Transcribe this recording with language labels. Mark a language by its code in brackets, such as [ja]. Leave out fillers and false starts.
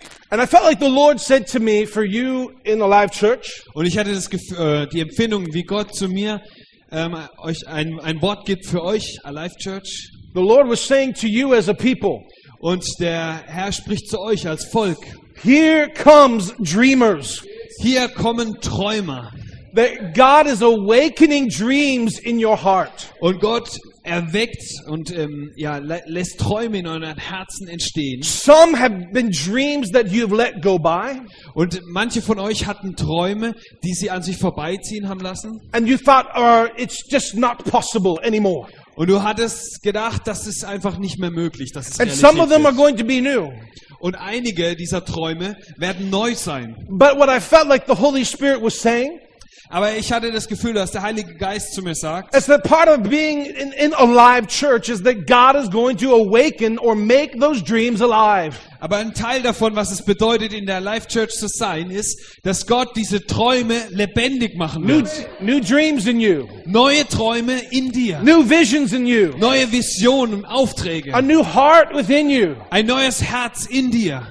[en] And I felt like the Lord said to me, for you in a live church. [de] Und ich hatte die Empfindung, wie Gott zu mir euch ein Wort gibt für euch, a live church. [en] The Lord was saying to you as a people. [de] Und der Herr spricht zu euch als Volk. [en] Here comes dreamers. [de] Hier kommen Träumer. [en] That God is awakening dreams in your heart. [de] Und Gott erweckt und lässt Träume in euren Herzen entstehen. [en] Some have been dreams that you've let go by. [de] Und manche von euch hatten Träume, die sie an sich vorbeiziehen haben lassen. [en] And you thought, oh, it's just not possible anymore. [de] Und du hattest gedacht, das ist einfach nicht mehr möglich, dass es Realität ist. [en] And some of them are going to be new. [de] Und einige dieser Träume werden neu sein. [en] But what I felt like the Holy Spirit was saying, [de] aber ich hatte das Gefühl, dass der Heilige Geist zu mir sagt, [en] it's the part of being in a live church is that God is going to awaken or make those dreams alive. [de] Aber ein Teil davon, was es bedeutet, in der Life Church zu sein, ist, dass Gott diese Träume lebendig machen wird. [en] New dreams in you. [de] Neue Träume in dir. [en] New visions in you. [de] Neue Visionen und Aufträge. [en] A new heart within you. [de] Ein neues Herz in dir.